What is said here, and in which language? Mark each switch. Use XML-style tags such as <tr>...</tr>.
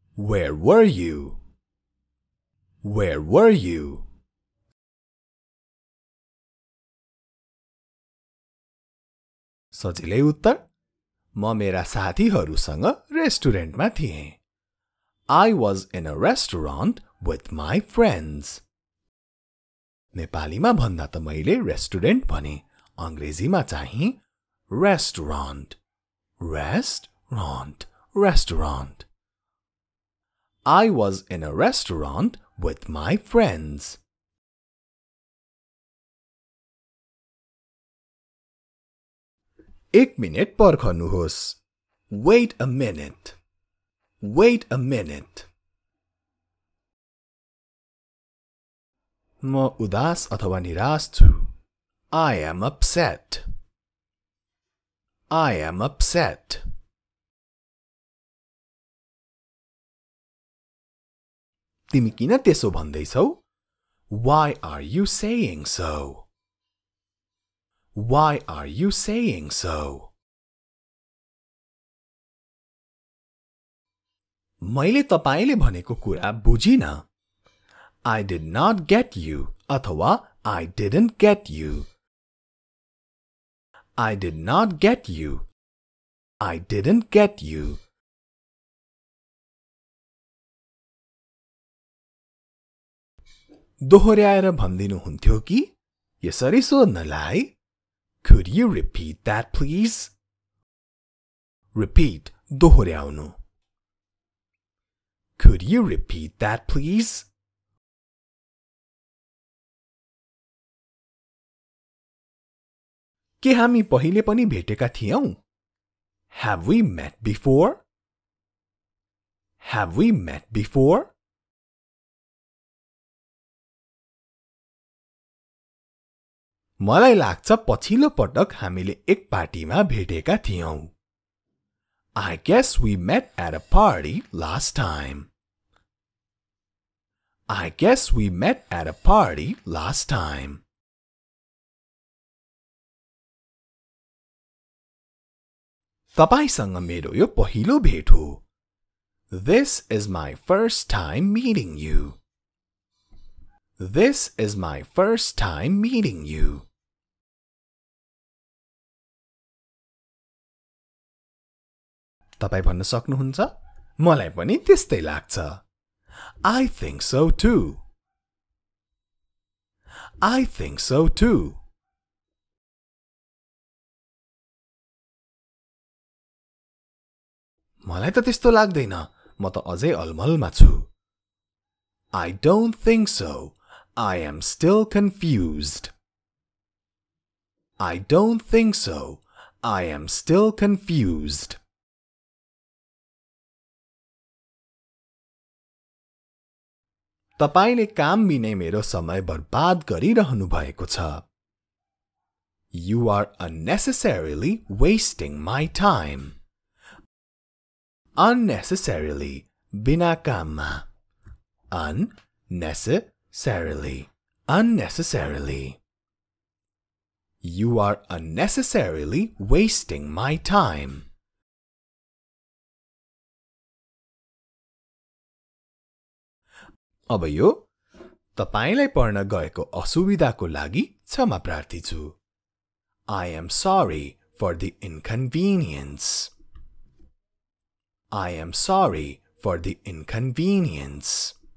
<en>Where were you? Where were you?</en> <ne>सजिलै उत्तर म मेरा साथीहरूसँग रेस्टुरेन्टमा थिएँ.</ne> <en>I was in a restaurant with my friends.</en> <ne>नेपालीमा भन्दा त मैले रेस्टुरेन्ट भने अंग्रेजीमा चाहिँ</ne> <en>restaurant. Restaurant. restaurant. I was in a restaurant with my friends.</en> <ne>एक minute पर्खनुहोस्.</ne> <en>Wait a minute. Wait a minute.</en> <ne>म उदास अथवा निराश छु.</ne> <en>I am upset. I am upset.</en> <ne>तिमी किन त्यसो भन्दैछौ?</ne> <en>Why are you saying so? Why are you saying so?</en> <ne>मैले तपाईले भनेको कुरा बुझिन.</ne> <en>I did not get you, अथवा I didn't get you. I did not get you. I didn't get you.</en> <ne>दोहोर्याएर भन्दिनु हुन्थ्यो कि? यसरी सोध्नलाई.</ne> <en>Could you repeat that, please?</en> <ne>Repeat, दोहोर्याउनु.</ne> <en>Could you repeat that, please?</en> <ne>के हामी पहिले पनि भेटेका थियौं?</ne> <en>Have we met before? Have we met before?</en> <ne>मलाई लाग्छ पछिल्लो पटक हामीले एक पार्टीमा भेटेका थियौं.</ne> <en>I guess we met at a party last time. I guess we met at a party last time.</en> <ne>तपाईसँग मेरो यो पहिलो भेट हो.</ne> <en>This is my first time meeting you. This is my first time meeting you.</en> <ne>तपाई भन्न सक्नुहुन्छ? मलाई पनि त्यस्तै लाग्छ.</ne> <en>I think so too. I think so too.</en> <ne>मलाई त त्यस्तो लाग्दैन. म त अझै अलमलमा छु.</ne> <en>I don't think so. I am still confused. I don't think so. I am still confused.</en> <ne>तपाईले काम बिनै मेरो समय बर्बाद गरिरहनु भएको छ.</ne> <en>You are unnecessarily wasting my time.</en> <ne>Unnecessarily, बिना काममा.</ne> <en>Unnecessarily, unnecessarily. You are unnecessarily wasting my time.</en> <ne>अब यो, तपाईलाई पर्न गएको असुविधाको लागि क्षमा प्रार्थी छु.</ne> <en>I am sorry for the inconvenience. I am sorry for the inconvenience.</en>